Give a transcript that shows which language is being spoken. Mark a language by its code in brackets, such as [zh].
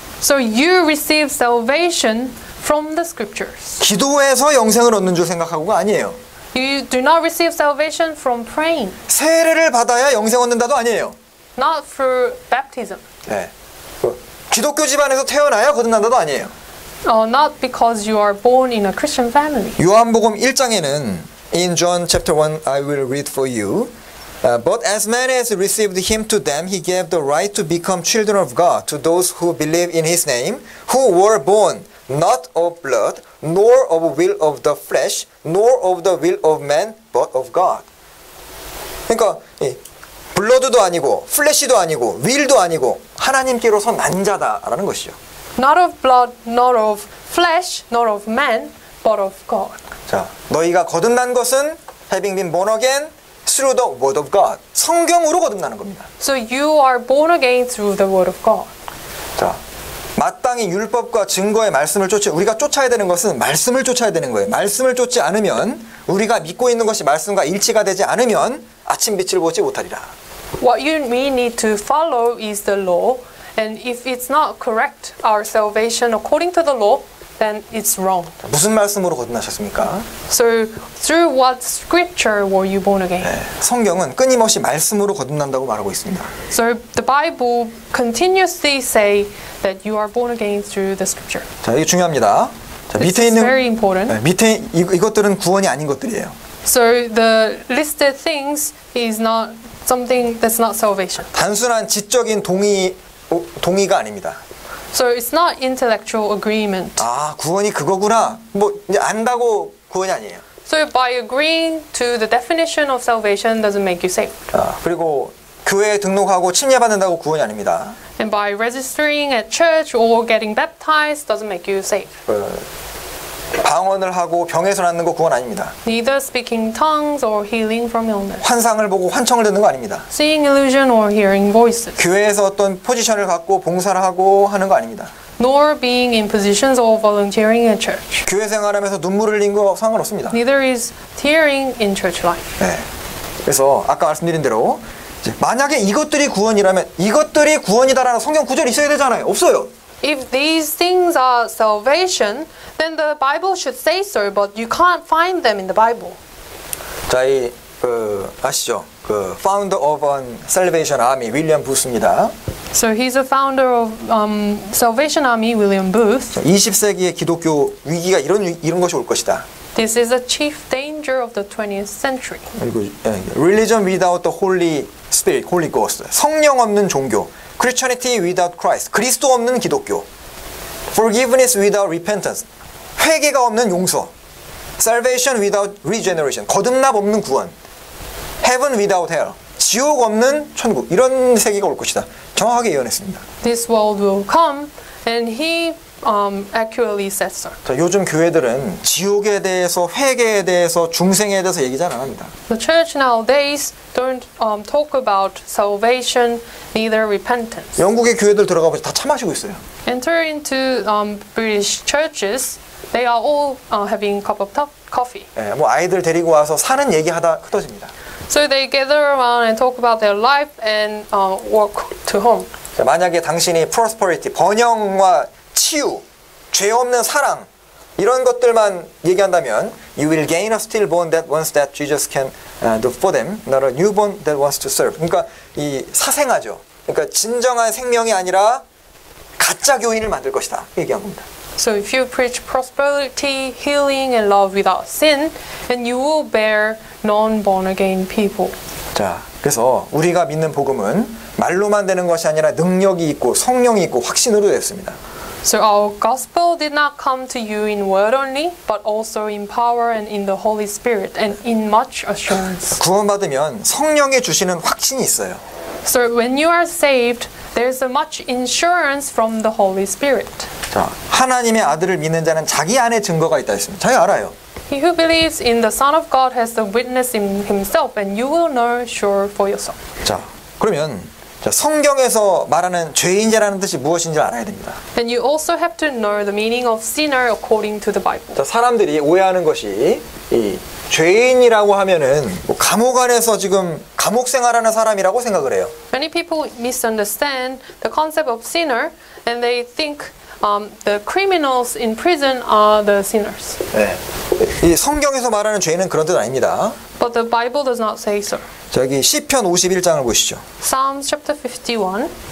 [en] So you receive salvation from the scriptures. [ko] 기도에서 영생을 얻는 줄 생각하고가 아니에요. [en] You do not receive salvation from praying. [ko] 세례를 받아야 영생 얻는다도 아니에요. [en] Not through baptism. [ko] 네. 기독교 집안에서 태어나야 거듭난다도 아니에요. [en] Not because you are born in a Christian family. [ko] 요한복음 1장에는 [en] in John chapter 1 I will read for you. But as many as received him to them he gave the right to become children of God to those who believe in his name who were born not of blood nor of will of the flesh nor of the will of man but of God. [ko] 그러니까 예, 블러드도 아니고 플래시도 아니고 윌도 아니고 하나님께로서 난 자다라는 것이죠. [en] Not of blood, not of flesh, not of man, but of God. [ko] 자, 너희가 거듭난 것은 [en] having been born again through the word of God. [ko] 성경으로 거듭나는 겁니다. [en] So you are born again through the word of God. [ko] 자, 마땅히 율법과 증거의 말씀을 쫓아 우리가 쫓아야 되는 것은 말씀을 쫓아야 되는 거예요. 말씀을 쫓지 않으면 우리가 믿고 있는 것이 말씀과 일치가 되지 않으면 아침 빛을 보지 못하리라. [en] What you we need to follow is the law. And if it's not correct, our salvation according to the law, then it's wrong. [ko] 무슨 말씀으로 거듭나셨습니까? [en] So through what scripture were you born again? 네, [ko] 성경은 끊임없이 말씀으로 거듭난다고 말하고 있습니다. [en] So the Bible continuously say that you are born again through the scripture. [ko] 자, 이게 중요합니다. 자, 밑에 있는 [en] very important. 네, [ko] 밑에 이것들은 구원이 아닌 것들이에요. [en] So the listed things is not something that's not salvation. [ko] 단순한 지적인 동의가 아닙니다. [en] So it's not intellectual agreement. [ko] 아, 구원이 그거구나. 뭐 이제 안다고 구원이 아니에요. [en] So by agreeing to the definition of salvation doesn't make you saved. [ko] 아, 그리고 교회에 등록하고 침례 받는다고 구원이 아닙니다. [en] And by registering at church or getting baptized doesn't make you saved. [ko] 방언을 하고 병에서 낫는 거 구원 아닙니다. [en] Neither speaking tongues or healing from illness. [ko] 환상을 보고 환청을 듣는 거 아닙니다. [en] Seeing illusion or hearing voices. [ko] 교회에서 어떤 포지션을 갖고 봉사를 하고 하는 거 아닙니다. [en] Nor being in positions or volunteering in church. [ko] 교회 생활하면서 눈물을 흘린 거 상관없습니다. [en] Neither is tearing in church life. [ko] 네. 그래서 아까 말씀드린 대로 이제 만약에 이것들이 구원이라면 이것들이 구원이다라는 성경 구절이 있어야 되잖아요. 없어요. [en] If these things are salvation, then the Bible should say so, but you can't find them in the Bible. [ko] 자, 이, 아시죠? 그 [en] founder of a Salvation Army, [ko] William Booth입니다. [en] So he's a founder of Salvation Army, William Booth. [ko] 20세기의 기독교 위기가 이런 것이 올 것이다. [en] This is a chief danger of the 20th century. 그리고, religion without the Holy Spirit, Holy Ghost, [ko] 성령 없는 종교. [en] Christianity without Christ, [ko] 그리스도 없는 기독교. [en] Forgiveness without repentance, [ko] 회개가 없는 용서. [en] Salvation without regeneration, [ko] 거듭남 없는 구원. [en] Heaven without hell, [ko] 지옥 없는 천국. 이런 세계가 올 것이다. 정확하게 예언했습니다. [en] This world will come, and he accurately said so. [ko] 자, 요즘 교회들은 지옥에 대해서, 회개에 대해서, 중생에 대해서 얘기를 안 합니다. [en] The church nowadays don't talk about salvation, neither repentance. [ko] 영국의 교회들 들어가 보시면 다 차 마시고 있어요. [en] Enter into British churches, they are all having a cup of coffee. [ko] 네, 뭐 아이들 데리고 와서 사는 얘기하다 흩어집니다. [en] So they gather around and talk about their life and walk to home. [ko] 자, 만약에 당신이 [en] prosperity, [ko] 번영과 치유, 죄 없는 사랑 이런 것들만 얘기한다면 [en] you will gain a stillborn that wants that Jesus can do for them, not a newborn that wants to serve. [ko] 그러니까 이 사생아죠. 그러니까 진정한 생명이 아니라 가짜 교인을 만들 것이다. 얘기한 겁니다. [en] So if you preach prosperity, healing, and love without sin, then you will bear non-born again people. [ko] 자, 그래서 우리가 믿는 복음은 말로만 되는 것이 아니라 능력이 있고 성령이 있고 확신으로 되었습니다. [en] So our gospel did not come to you in word only, but also in power and in the Holy Spirit and in much assurance. [ko] 구원받으면 성령에 주시는 확신이 있어요. [en] So when you are saved, there's a much insurance from the Holy Spirit. [ko] 자, 하나님의 아들을 믿는 자는 자기 안에 증거가 있다 했습니다. 자기 알아요. [en] He who believes in the Son of God has the witness in himself, and you will know sure for yourself. [ko] 자, 그러면 성경에서 말하는 죄인자라는 뜻이 무엇인지 알아야 됩니다. [en] And you also have to know the meaning of sinner according to the Bible. [ko] 자, 사람들이 오해하는 것이 이 죄인이라고 하면은 뭐 감옥 안에서 지금 감옥 생활하는 사람이라고 생각을 해요. [en] Many people misunderstand the concept of sinner and they think the criminals in prison are the sinners. [ko] 네. 이 성경에서 말하는 죄인은 그런 뜻 아닙니다. [en] But the Bible does not say so. [ko] 저기 시편 51장을 보시죠. [en] Psalms chapter 51.